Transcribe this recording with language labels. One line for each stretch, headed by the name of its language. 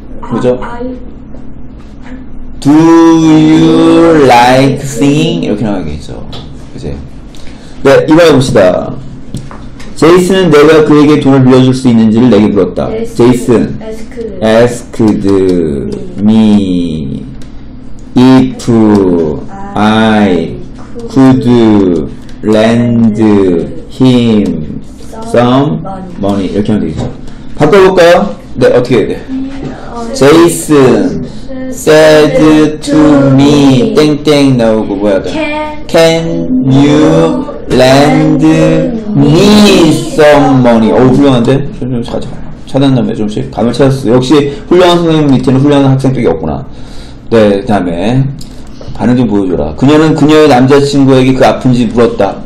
Korean: 뭐죠?
English: Do you like singing?
Korean: 이렇게 나가겠죠. 그치? 네, 이번에 봅시다. 제이슨은 내가 그에게 돈을 빌려줄 수 있는지를 내게 물었다. 제이슨
English: asked me if I could lend him some money.
Korean: 이렇게 하면 되겠죠. 바꿔볼까요? 네, 어떻게 해야 돼?
English: Jason said to me,
Korean: 땡땡 나오고, 뭐야, 돼?
English: Can you lend me some money?
Korean: 어우, 훌륭한데? 좀 찾아. 찾은 다음에 좀씩 감을 찾았어. 역시 훌륭한 선생님 밑에는 훌륭한 학생 쪽이 없구나. 네, 다음에. 반응 좀 보여줘라. 그녀는 그녀의 남자친구에게 그 아픈지 물었다.